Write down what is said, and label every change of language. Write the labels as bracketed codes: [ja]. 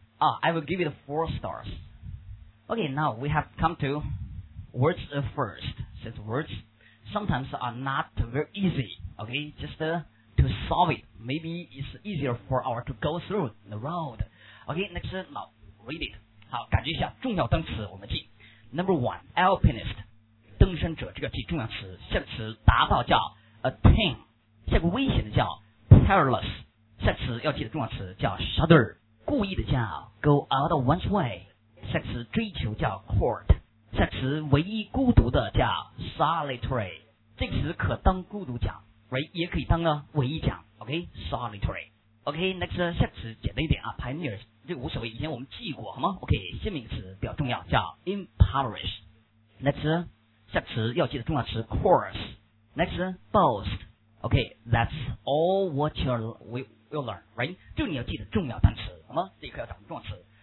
[en] I will give it 4 stars. Okay, now we have come to words first. Since words sometimes are not very easy, okay, just to solve it. Maybe it's easier for our to go through the road. Okay, next, now read it. [zh] 好，感觉一下重要单词，我们记。 [en] Number one, [zh] alpinist, 登山者，这个记重要词。下个词达到叫 attain, 下个危险的叫 perilous, 下个词要记得重要词叫 shudder, 故意的叫 go out of one's way, 下个词追求叫 court, 下个词唯一孤独的叫 solitary, 这个词可当孤独讲，也可以当唯一讲 ,ok, solitary。 [en] OK, next, [zh] 下个词简单一点啊 ,pioneer, 这个无所谓，以前我们记过好吗 ?OK, 新名词比较重要叫 impoverish。 Next, 下个词要记得重要词 course。Next, boast。 [en] OK, that's all what you will learn, right? [zh] 就你要记得重要单词好吗，这一课要掌握重要词。